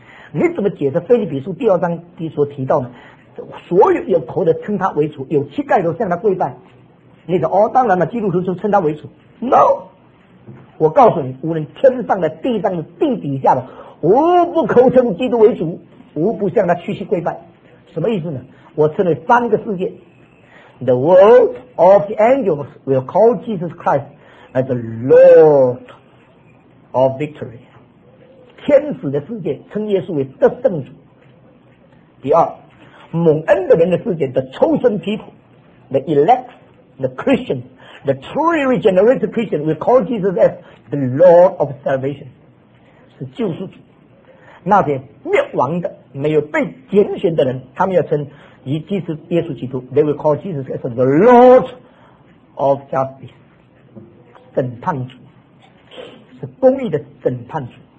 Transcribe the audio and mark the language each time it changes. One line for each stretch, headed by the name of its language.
Chinese: 你怎么解释腓立比书第二章第所提到呢？所有有头的称他为主，有膝盖都向他跪拜，你说哦，当然了，基督徒就称他为主。
English: No，
Chinese: 我告诉你，无论天上的地上的地底下的，无不口称基督为主，无不向他屈膝跪拜。什么意思呢？我称为三个世界，
English: the world of the angels will call Jesus Christ as the Lord of victory.
Chinese: 天使的世界称耶稣为得胜主。第二，蒙恩的人的世界
English: the chosen people, the elect, the Christian, the truly regenerated Christian will call Jesus as the Lord of salvation,
Chinese: 是救赎主。那些灭亡的没有被拣选的人，他们要称以基督耶稣基督
English: they will call Jesus as the Lord of justice,
Chinese: 审判主，是公义的审判主。